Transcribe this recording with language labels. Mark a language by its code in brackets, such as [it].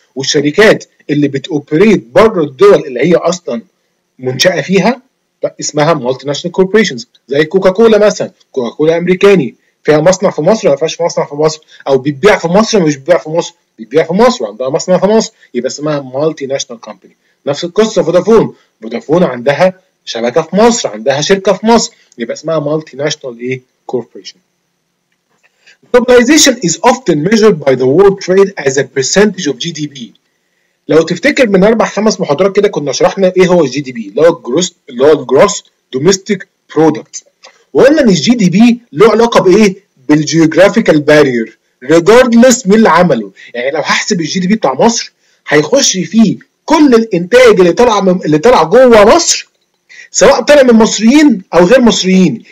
[ar] والشركات اللي بتoperate بره الدول اللي هي أصلا منشأة فيها اسمها multinational corporations، زي كوكاكولا مثلا، كوكاكولا أمريكاني، فيها مصنع في مصر ولا فيهاش مصنع في مصر، أو بيبيع في مصر ولا مش بيبيع في مصر، بيبيع في مصر وعندها مصنع في مصر، يبقى اسمها multinational company. نفس القصة فودافون، فودافون عندها شبكة في مصر، عندها شركة في مصر، يبقى اسمها multinational corporation. [en] Globalization is often measured by the world trade as a percentage of GDP. [ar] لو تفتكر من 4-5 محاضرات كده كنا شرحنا ايه هو GDP، اللي هو gross domestic product، وقلنا ان GDP له علاقة بايه؟ بالgeographical barrier regardless من اللي عمله. يعني لو هحسب GDP بتاع مصر، هيخش فيه كل الانتاج اللي طلع جوه مصر، سواء طلع من مصريين او غير مصريين.